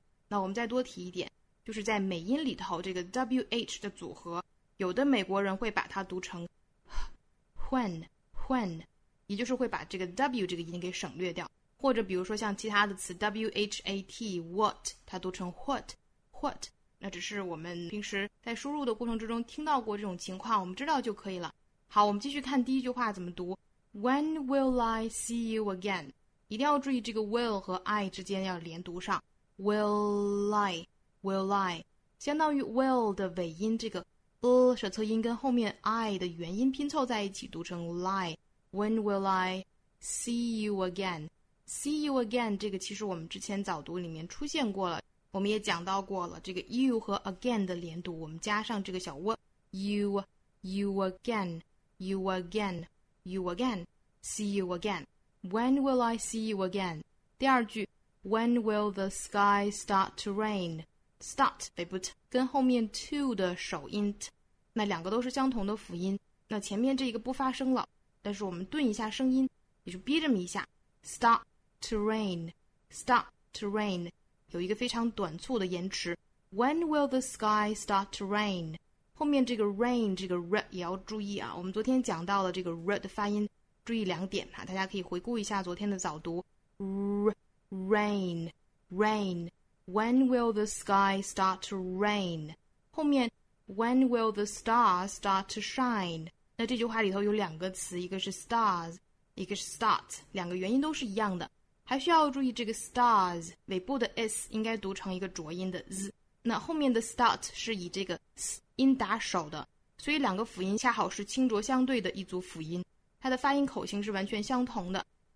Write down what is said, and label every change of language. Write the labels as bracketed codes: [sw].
[zh] 那我们再多提一点，就是在美音里头这个 wh 的组合，有的美国人会把它读成 when， 也就是会把这个 w 这个音给省略掉。或者比如说像其他的词 what what 它读成 what， 那只是我们平时在输入的过程之中听到过这种情况，我们知道就可以了。好，我们继续看第一句话怎么读。 [en] When will I see you again? [zh] 一定要注意这个 will 和 I 之间要连读上， will I 相当于 will 的尾音，这个舌侧音跟后面 I 的元音拼凑在一起读成 lie。 [en] When will I see you again? [zh] See you again 这个其实我们之前早读里面出现过了，我们也讲到过了，这个 you 和 again 的连读，我们加上这个小 word you again see you again。 [en] When will I see you again? [zh] 第二句， [en] When will the sky start to rain? [zh] Start 北部 t 跟后面 to 的首音 t， 那两个都是相同的辅音，那前面这一个不发声了，但是我们顿一下声音，也就憋这么一下， [en] start to rain [zh] 有一个非常短促的延迟。 [en] When will the sky start to rain? [zh] 后面这个 rain 这个 r 也要注意啊，我们昨天讲到了这个 r 的发音，注意两点啊，大家可以回顾一下昨天的早读 rain。 [en] When will the sky start to rain? 后面 When will the star start to shine? [zh] 那这句话里头有两个词，一个是 stars， 一个是 start， 两个元音都是一样的。还需要注意这个 stars 尾部的 s 应该读成一个浊音的 z， 那后面的 start 是以这个 s 音打首的，所以两个辅音恰好是清浊相对的一组辅音，它的发音口型是完全相同的。